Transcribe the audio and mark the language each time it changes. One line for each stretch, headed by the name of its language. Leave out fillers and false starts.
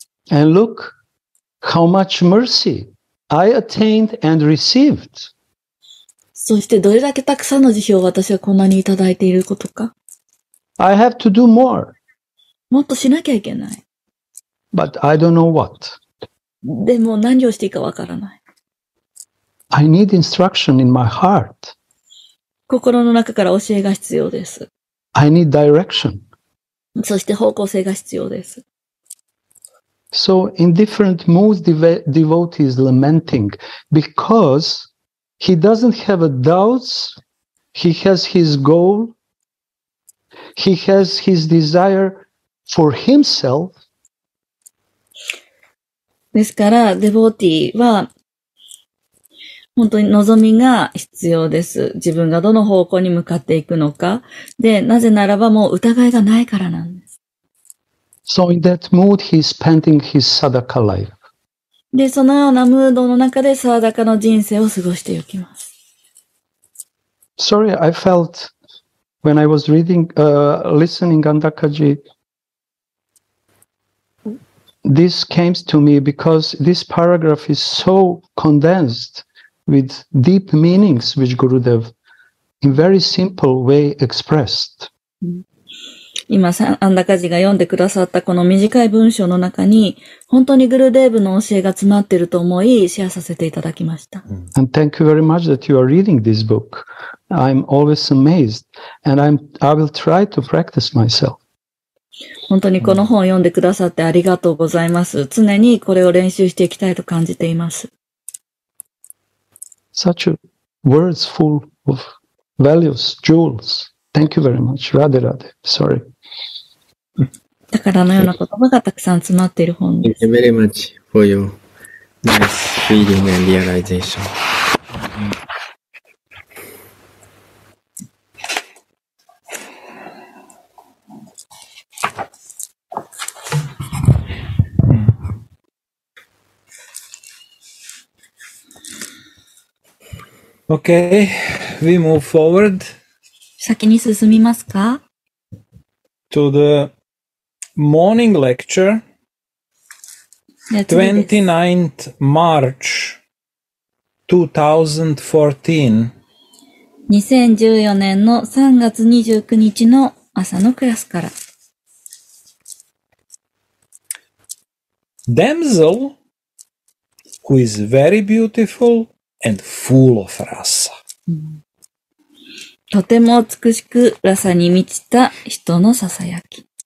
English: And look how much mercy I attained and received.
Japanese: そしてどれだけたくさんの慈悲を私はこんなにいただいていることか。
English: I have to do more.
Japanese: もっとしなきゃいけない。
English: But I don't know what.
Japanese: でも何をしていいかわからない。
English: I need instruction in my heart.
Japanese: 心の中から教えが必要です。
English: I need direction.
Japanese: そして方向性が必要です。
English: So in different moods, devotee is lamenting because he doesn't have a doubts. He has his goal. He has his desire for himself.
Japanese: ですから、デボーティーは本当に望みが必要です。自分がどの方向に向かっていくのか。で、なぜならばもう疑いがないからなんです。
English: So in that mood, he's spending his sadaka life.
Japanese: で、そのようなムードの中でサダカの人生を過ごしていきます。
English: Sorry, I felt when I was reading, listening Andakaji, this came to me because this paragraph is so condensed. With deep meanings, which Gurudev in very simple way expressed.
Japanese: 今、アンダカジが読んでくださったこの短い文章の中に、本当にグルデーブの教えが詰まっていると思い、シェアさせていただきました。
English: And thank you very much that you are reading this book. I'm always amazed, and I will try to practice myself.
Japanese: 本当にこの本を読んでくださってありがとうございます。常にこれを練習していきたいと感じています。
English: Such a words full of values, jewels. Thank you very much. Radhe, Radhe. Sorry.
Japanese: だからのような言葉がたくさん詰まっている本です。
English: Thank you very much for your nice reading and realization. Okay, we move forward.
Japanese: 先に進みますか?
English: To the morning lecture, 29th March 2014.
Japanese: 2014年の3月29日の朝のクラスから。
English: Damsel, who is very beautiful,And full of rasa.
Japanese: とても美しくラサに満ちた人のささやき。